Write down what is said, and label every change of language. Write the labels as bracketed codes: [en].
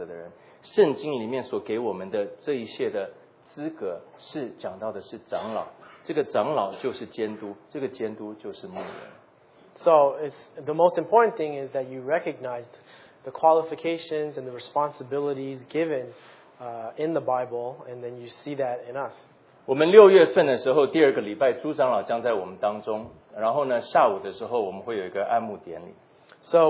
[zh] 重要的是，我们需要了解，在教会里面，神所托付的我们这群负责的人，圣经里面所给我们的这一切的。资格是讲到的是长老，这个长老就是监督，这个监督就是牧人。So [en] it's the most important thing is that you recognize the qualifications and the responsibilities given in the Bible, and then you see that in us. [zh] 我们六月份的时候，第二个礼拜朱长老将在我们当中，然后呢，下午的时候我们会有一个按牧典礼。So